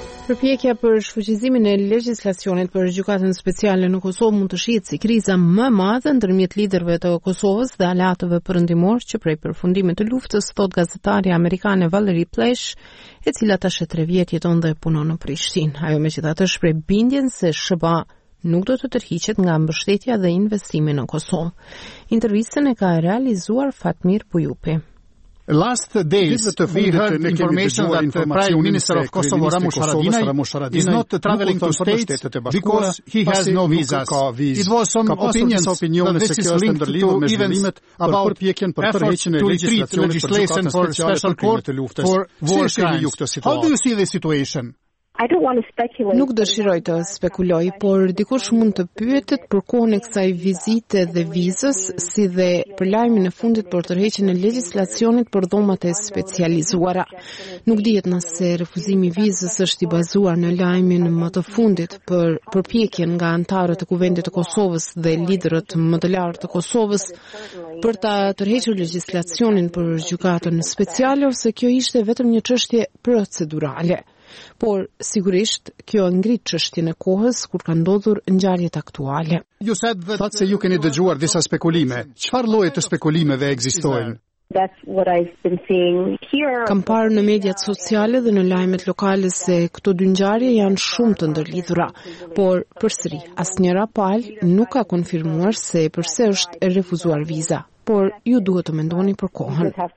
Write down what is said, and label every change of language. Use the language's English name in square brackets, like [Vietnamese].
[Albanian] Përpjekja për shfuqizimin e legjislacionit për gjykatën speciale në Kosovë mund të shihet si kriza më e madhe ndërmjet liderëve të Kosovës dhe aleatëve perëndimor që prej përfundimit të luftës, thot gazetarja amerikane Valerie Plesh, e cila tash e 3 vjet jeton dhe punon në Prishtinë. Ajo megjithatë shpreh bindjen se SBA nuk do të tërhiqet nga mbështetja dhe investimi në Kosovë. Intervistën e ka realizuar Fatmir Pujupi. [English] Last days, we heard information that the Prime Minister of Kosovo, Ramush Haradinaj, is not traveling to states because he has no visas. It was some opinions that this is linked to events about efforts to retreat legislation for special court for war crimes. How do you see the situation? I don't want to speculate. [Albanian] Nuk dëshiroj të spekuloj, por dikush mund të pyetet për kohën e kësaj vizite dhe vizës, si dhe për lajmin e fundit për tërheqjen e legjislacionit për dhomat e specializuara. Nuk dihet nëse refuzimi i vizës është i bazuar në lajmin më të fundit për përpjekjen nga anëtarët e Kuvendit të Kosovës dhe liderët më të lartë të Kosovës për ta tërhequr legjislacionin për gjykatën speciale ose kjo ishte vetëm një çështje procedurale. Por, sigurisht, kjo ngrit çështjen e kohës kur ka ndodhur ngjarjet aktuale. [English] You said that thought [Albanian] se ju keni dëgjuar disa spekulime. Çfarë lloje të spekulimeve ekzistojnë? [English] That's what I've been seeing here. [Albanian] Kam parë në mediat sociale dhe në lajmet lokale se këto dy ngjarje janë shumë të ndërlidhura, por përsëri, asnjëra palë nuk ka konfirmuar se pse është e refuzuar viza, por ju duhet të mendoni për kohën.